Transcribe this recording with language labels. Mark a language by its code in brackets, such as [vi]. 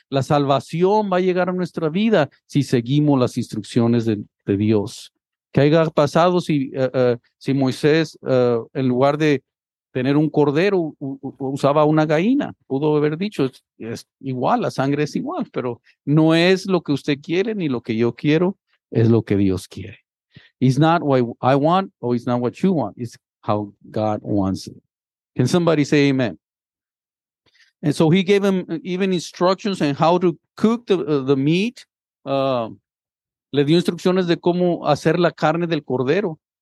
[es] La salvación va a llegar a nuestra vida si seguimos las instrucciones de Dios. ¿Qué haya pasado si Moisés, en lugar de tener un cordero, usaba una gallina? Pudo haber dicho, es igual, la sangre es igual, pero no es lo que usted quiere ni lo que yo quiero, es lo que Dios quiere. [en] It's not what I want or it's not what you want. It's how God wants it. Can somebody say amen? And so he gave him even instructions on how to cook the meat. [es] Le dio instrucciones de cómo hacer la carne del cordero.